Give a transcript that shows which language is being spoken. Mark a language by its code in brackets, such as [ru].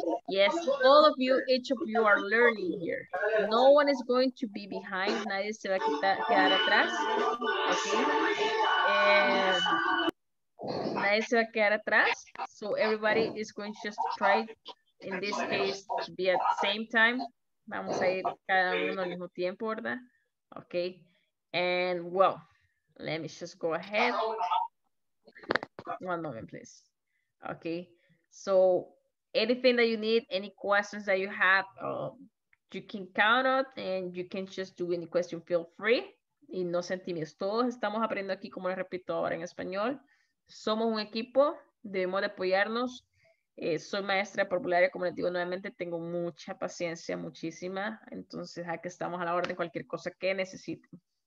[en] Yes, all of you, each of you are learning here. No one is going to be behind. [es] Nadie se va a quedar atrás. Okay. Nadie se va a quedar atrás. [en] So everybody is going to just try, in this case, to be at the same time. [es] Vamos a ir cada uno al mismo tiempo, ¿verdad? [en] Okay. And well, let me just go ahead. One moment, please. Okay. So anything that you need, any questions that you have, you can count on and you can just do any question, feel free. [es] Y no sentimos. Todos estamos aprendiendo aquí, como les repito ahora en español. Somos un equipo, debemos de apoyarnos. Soy maestra de parvularia, como les digo nuevamente, tengo mucha paciencia, muchísima. Entonces, aquí estamos a la orden, cualquier cosa que necesiten.